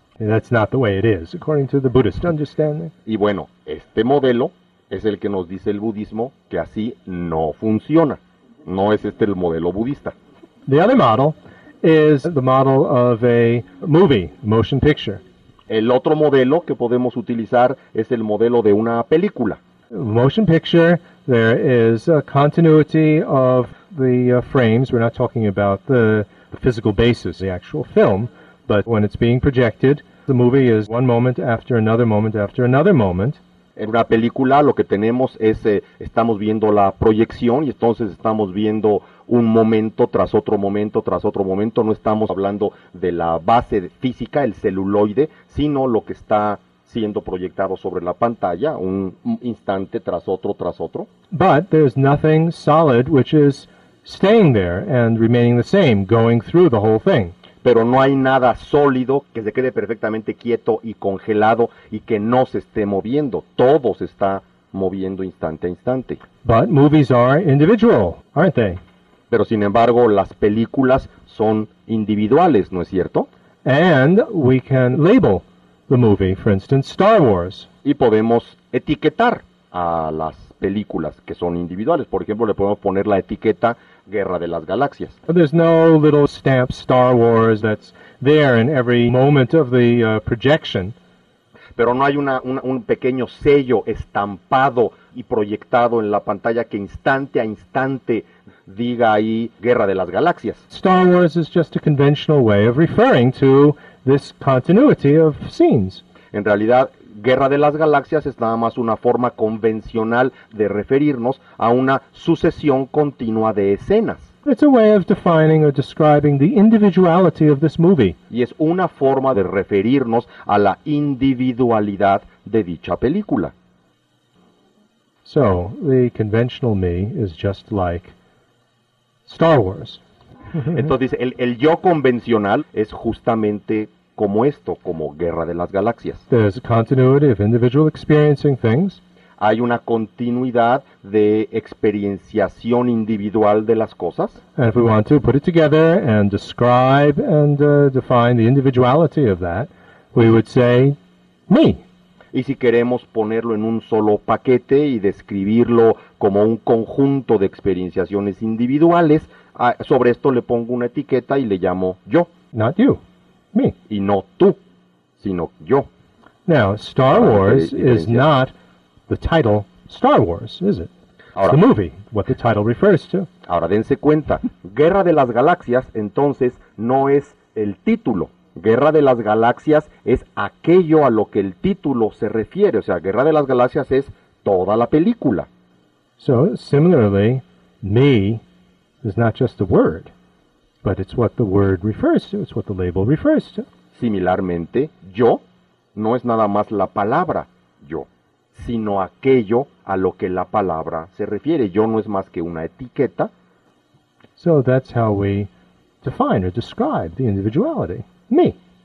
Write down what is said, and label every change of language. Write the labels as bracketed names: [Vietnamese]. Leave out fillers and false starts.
[English] That's not the way it is, according to the Buddhist understanding. [Spanish] Y bueno, este modelo es el que nos dice el budismo que así no funciona. No es este el modelo budista. [English] The other model is the model of a movie, motion picture. [Spanish] El otro modelo que podemos utilizar es el modelo de una película. [English] Motion picture, there is a continuity of the frames. We're not talking about the physical basis, the actual film. But when it's being projected, the movie is one moment after another moment after another moment. [Spanish] En una película lo que tenemos es, estamos viendo la proyección y entonces estamos viendo un momento tras otro momento tras otro momento. No estamos hablando de la base física, el celuloide, sino lo que está siendo proyectado sobre la pantalla, un instante tras otro tras otro. [English] But there's nothing solid which is staying there and remaining the same, going through the whole thing. [Spanish] Pero no hay nada sólido que se quede perfectamente quieto y congelado y que no se esté moviendo. Todo se está moviendo instante a instante. [English] But movies are individual, aren't they? [Spanish] Pero sin embargo, las películas son individuales, ¿no es cierto? [English] And we can label the movie, for instance, Star Wars. [Spanish] Y podemos etiquetar a las películas que son individuales. Por ejemplo, le podemos poner la etiqueta Guerra de las Galaxias. [English] There's no little stamp Star Wars that's there in every moment of the projection. [Spanish] Pero no hay un pequeño sello estampado y proyectado en la pantalla que instante a instante diga ahí Guerra de las Galaxias. [English] Star Wars is just a conventional way of referring to this continuity of scenes. [Spanish] En realidad, Guerra de las Galaxias es nada más una forma convencional de referirnos a una sucesión continua de escenas. [English] It's a way of defining or describing the individuality of this movie. [Spanish] Y es una forma de referirnos a la individualidad de dicha película. [English] So, the conventional me is just like Star Wars. [Spanish] Entonces, el yo convencional es justamente como esto, como Guerra de las Galaxias. [English] There's a continuity of individual experiencing things. [Spanish] Hay una continuidad de experienciación individual de las cosas. [English] And if we want to put it together and describe and define the individuality of that, we would say, me. [Spanish] Y si queremos ponerlo en un solo paquete y describirlo como un conjunto de experienciaciones individuales, sobre esto le pongo una etiqueta y le llamo yo. [English] Not you. Me. [Spanish] Y no tú, sino yo. [English] Now, Star Wars is not the title Star Wars, is it? [Spanish] Ahora, [English] the movie, what the title refers to. [Spanish] Ahora, dense cuenta. Guerra de las Galaxias, entonces, no es el título. Guerra de las Galaxias es aquello a lo que el título se refiere. O sea, Guerra de las Galaxias es toda la película. [English] So, similarly, me is not just a word. But it's what the word refers to, it's what the label refers to. [Spanish] Similarmente, yo no es nada más la palabra yo, sino aquello a lo que la palabra se refiere. Yo no es más que una etiqueta. [English] So that's how we define or describe the individuality, me.